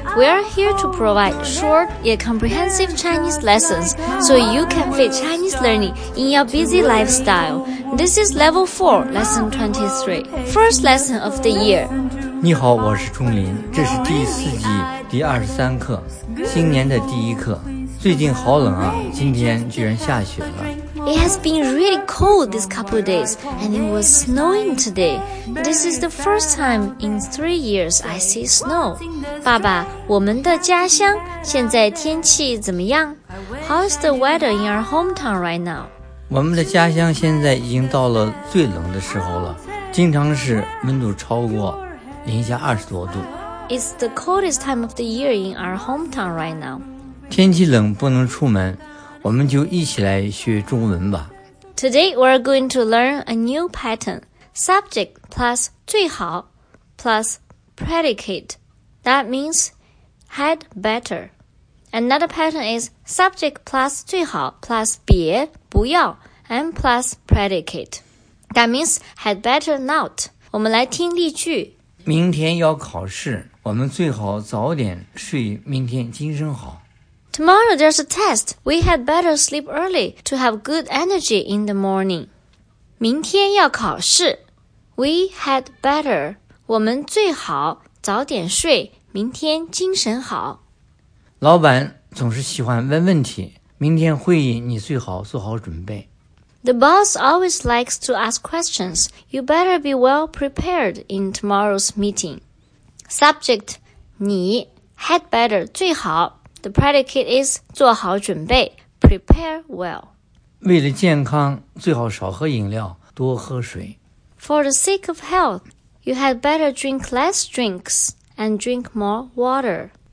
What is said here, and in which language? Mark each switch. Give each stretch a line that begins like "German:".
English: We are here to provide short yet comprehensive Chinese lessons so you can fit Chinese learning in your busy lifestyle. This is Level 4, Lesson 23. First lesson of the year.
Chinese: 你好，我是钟林，这是第四季第二十三课，新年的第一课。最近好冷啊，今天居然下雪了。
English: It has been really cold these couple of days, and it was snowing today. This is the first time in 3 years I see snow.
Chinese: 爸爸，我们的家乡现在天气怎么样?
English: How is the weather in our hometown right now?
Chinese: 我们的家乡现在已经到了最冷的时候了，经常是温度超过零下二十多度。
English: It's the coldest time of the year in our hometown right now.
Chinese: 天气冷不能出门。我们就一起来学中文吧。
English: Today, we're going to learn a new pattern. Subject plus 最好 plus predicate. That means had better. Another pattern is subject plus 最好 plus 别不要 and plus predicate. That means had better not.
Chinese: 我们来听例句。明天要考试，我们最好早点睡，明天精神好。
English: Tomorrow there's a test. We had better sleep early to have good energy in the morning.
Chinese: 明天要考试。
English: We had better.
Chinese: 我们最好早点睡，明天精神好。老板总是喜欢问问题。明天会议你最好做好准备。
English: The boss always likes to ask questions. You better be well prepared in tomorrow's meeting. Subject, 你 had better, 最好。 The predicate is 做好准备 prepare well.
Chinese: 为了健康，最好少喝饮料，多喝水。
English: For the sake of health, you had better drink less drinks and drink more water.